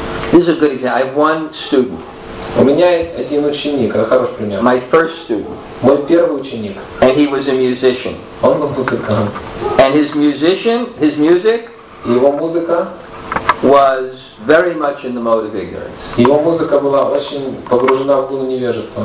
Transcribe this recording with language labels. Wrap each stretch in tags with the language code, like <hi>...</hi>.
<en>This is a good example. I have one student.</en> <ru>У меня есть один ученик, это хороший пример.</ru> <en>My first student.</en> <ru>Мой первый ученик.</ru> <en>And he was a musician.</en> <ru>Он был музыкант.</ru> <en>And his music,</en> <ru>его музыка,</ru> <en>was very much in the mode of ignorance.</en> <ru>Его музыка была очень погружена в гуну невежества.</ru>